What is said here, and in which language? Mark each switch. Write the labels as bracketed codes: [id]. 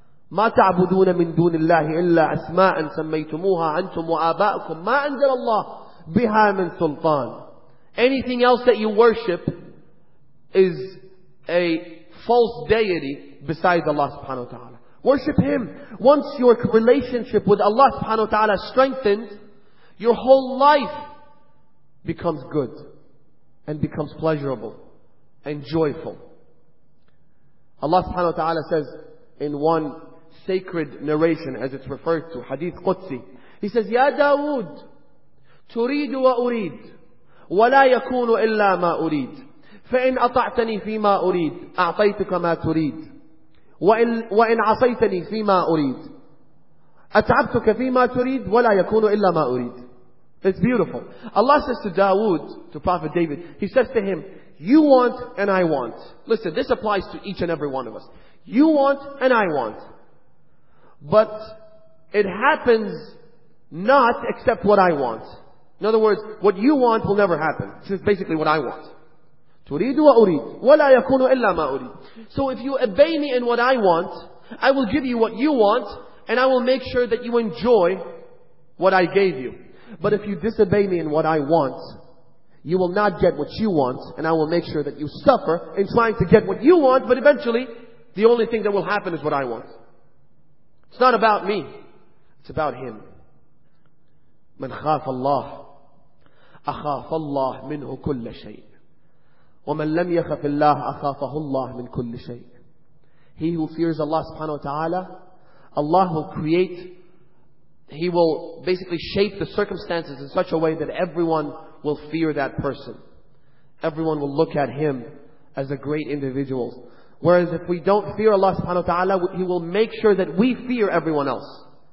[ar] ما تعبدون من دون الله إلا أسماء سميتموها أنتم وآباؤكم ما أنزل الله بها من سلطان. [en] Anything else that you worship is a false deity besides Allah subhanahu wa ta'ala. Worship Him. Once your relationship with Allah subhanahu wa ta'ala strengthens, your whole life becomes good. and becomes pleasurable and joyful. Allah subhanahu wa ta'ala says in one sacred narration, as it's referred to, Hadith Qudsi, he says, Ya Dawood, [ar] تريد وأريد ولا يكون إلا ما أريد فإن أطعتني فيما أريد أعطيتك ما تريد وإن عصيتني فيما أريد أتعبتك فيما تريد ولا يكون إلا ما أريد. [en] It's beautiful. Allah says to Dawood, to Prophet David, he says to him, you want and I want. Listen, this applies to each and every one of us. You want and I want. But it happens not except what I want. In other words, what you want will never happen. This is basically what I want. [ar] تريد وأريد ولا يكون إلا ما أريد. [en] So if you obey me in what I want, I will give you what you want, and I will make sure that you enjoy what I gave you. But if you disobey me in what I want, you will not get what you want, and I will make sure that you suffer in trying to get what you want, but eventually, the only thing that will happen is what I want. It's not about me. It's about him. [ar] من خاف الله أخاف الله منه كل شيء ومن لم يخف الله أخافه الله من كل شيء. [en] He who fears Allah subhanahu wa ta'ala, Allah will create, he will basically shape the circumstances in such a way that everyone will fear that person. Everyone will look at him as a great individual. Whereas if we don't fear Allah subhanahu wa ta'ala, he will make sure that we fear everyone else.